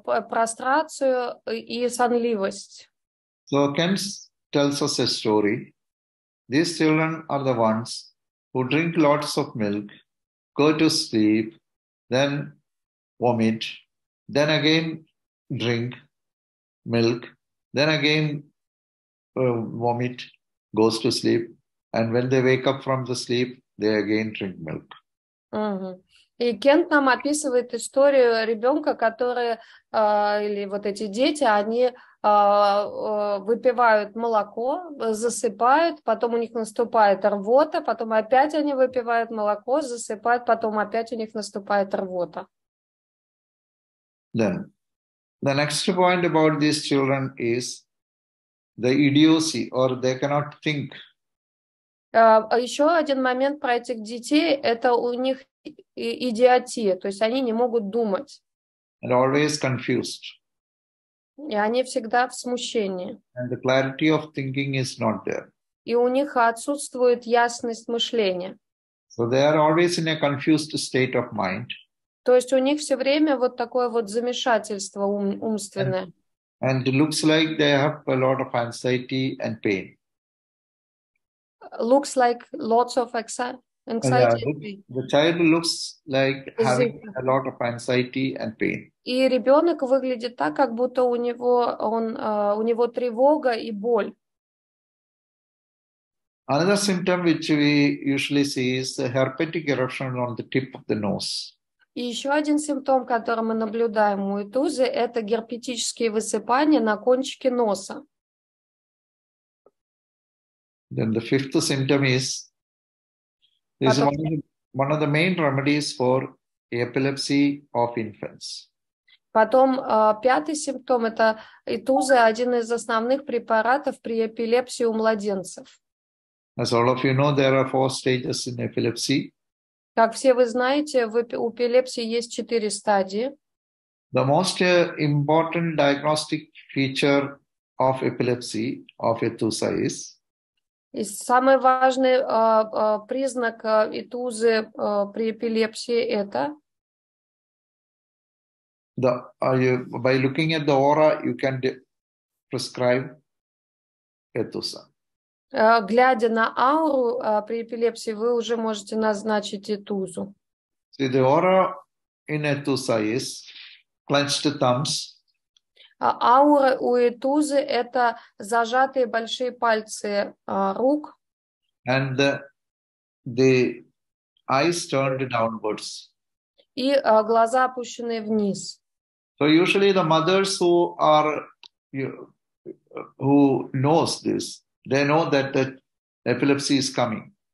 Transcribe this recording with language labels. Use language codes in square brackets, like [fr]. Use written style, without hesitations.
[ru] Прострацию и сонливость. [en] So Kent tells us a story. These children are the ones who drink lots of milk, go to sleep, then vomit, then again drink milk, then again vomit, goes to sleep, and when they wake up from the sleep, they again drink milk. [ru] И Кент нам описывает историю ребенка, который, или вот эти дети, они выпивают молоко, засыпают, потом у них наступает рвота, потом опять они выпивают молоко, засыпают, потом опять у них наступает рвота. [en] Then, the next point about these children is the idiocy, or they cannot think. [ru] Еще один момент про этих детей, это у них идиотия, то есть они не могут думать. [en] And always confused. [ru] И они всегда в смущении. [en] And the clarity of thinking is not there. [ru] И у них отсутствует ясность мышления. [en] So they are always in a confused state of mind. [ru] То есть у них все время вот такое вот замешательство умственное. [en] And it looks like they have a lot of anxiety and pain. Looks like lots of anxiety. Yeah, the child looks like having a lot of anxiety and pain. [ru] И ребенок выглядит так, как будто у него у него тревога и боль. [en] Another symptom which we usually see is the herpetic eruption on the tip of the nose. [ru] И еще один симптом, который мы наблюдаем у этузы, это герпетические высыпания на кончике носа. [en] Then the fifth symptom is this is one of the main remedies for epilepsy of infants. [ru] Потом пятый симптом – это итуза, один из основных препаратов при эпилепсии у младенцев. [en] As all of you know, there are four stages in epilepsy. [ru] Как все вы знаете, в эпилепсии есть четыре стадии. [en] The most important diagnostic feature of epilepsy, of ETUSA is... [ru] И самый важный признак ETUSA при эпилепсии – это... [en] The, you, by looking at the aura, you can prescribe ETUSA. [ru] Глядя на ауру при эпилепсии, вы уже можете назначить ETUSA. [en] See, the aura in ETUSA is... Clenched thumbs. [ru] Аура у ETUSA – это зажатые большие пальцы рук. [en] And the eyes turned downwards. [ru] И глаза опущены вниз. [en] So usually the mothers who are who knows this, they know that the epilepsy is coming.